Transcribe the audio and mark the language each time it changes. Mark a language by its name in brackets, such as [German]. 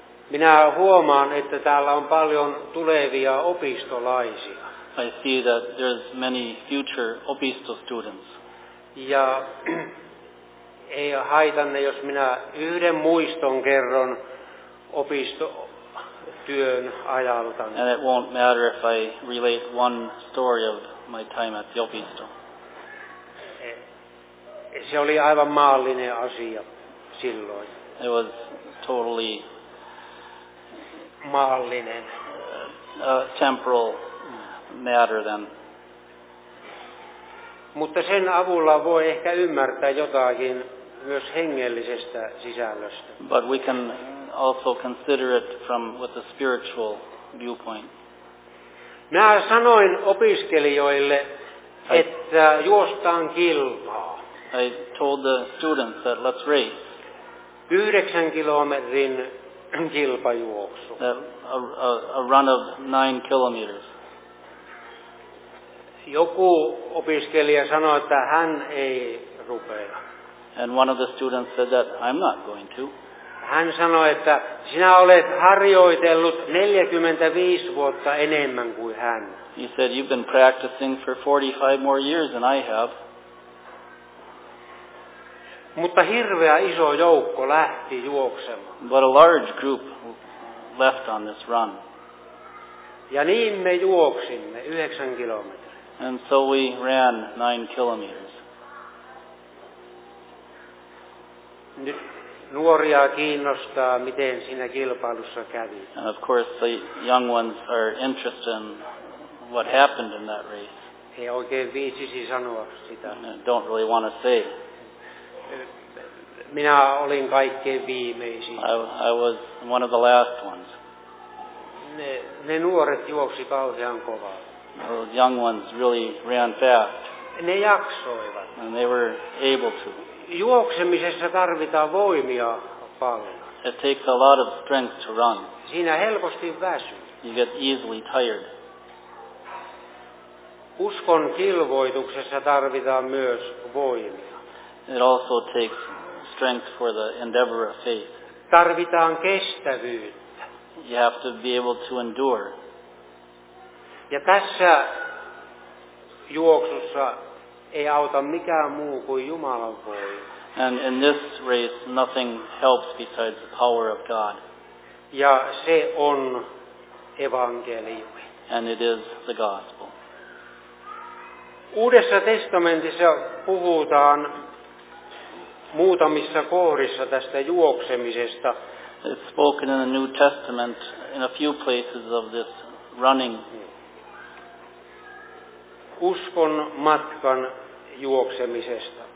[Finnish] Minä huomaan, että täällä on paljon tulevia opistolaisia. [English] I see that there's many future opisto students. [Finnish] Ja ei haitanne, jos minä yhden muiston kerron opistotyön ajalta. [English] And it won't matter if I relate one story of my time at the opisto. [Finnish] Se oli aivan maallinen asia silloin. [English] It was totally [Finnish] maallinen. [English] A temporal matter then. [Finnish] Mutta sen avulla voi ehkä ymmärtää jotakin myös hengellisestä sisällöstä. [English] But we can also consider it from with a spiritual viewpoint. [Finnish] Minä sanoin opiskelijoille, että juostaan kilpaa. [English] I told the students that let's race. [Finnish] 9 kilometrin kilpajuoksu. [English] A run of 9 kilometers. [Finnish] Joku opiskelija sanoi, että hän ei rupea. [English] And one of the students said that I'm not going to. [Finnish] Hän sanoi, että sinä olet harjoitellut 45 vuotta enemmän kuin hän. [English] He said, you've been practicing for 45 more years than I have. [Finnish] Mutta hirveä iso joukko lähti juoksemaan. [English] But a large group left on this run. [Finnish] Ja niin me juoksimme 9 kilometriä. [English] And so we ran 9 kilometers. [Finnish] Nyt nuoria kiinnostaa, miten siinä kilpailussa kävi. [English] And of course the young ones are interested in what happened in that race. [Finnish] He oikein viitsisi sanoa sitä. [English] Don't really want to say. [Finnish] Minä olin kaikkein viimeisin. [English] I was one of the last ones. [Finnish] Ne nuoret juoksi kauhean kovaa. [English] Those young ones really ran fast. [Finnish] Ne jaksoivat. [English] And they were able to. [Finnish] Juoksemisessa tarvitaan voimia paljon. [English] It takes a lot of strength to run. [Finnish] Siinä helposti väsy. [English] You get easily tired. [Finnish] Uskon kilvoituksessa tarvitaan myös voimia. [English] It also takes strength for the endeavor of faith. [Finnish] Tarvitaan kestävyyttä. [English] You have to be able to endure. [Finnish] Ja tässä juoksussa ei auta mikään muu kuin Jumalan voima. [English] And in this race nothing helps besides the power of God. [Finnish] Ja se on evankeliumi. [English] And it is the gospel. [Finnish] Uudessa testamentissa puhutaan muutamissa kohdissa tästä juoksemisesta. [English] It's spoken in the New Testament in a few places of this running. [Finnish] uskon matkan juoksemisesta.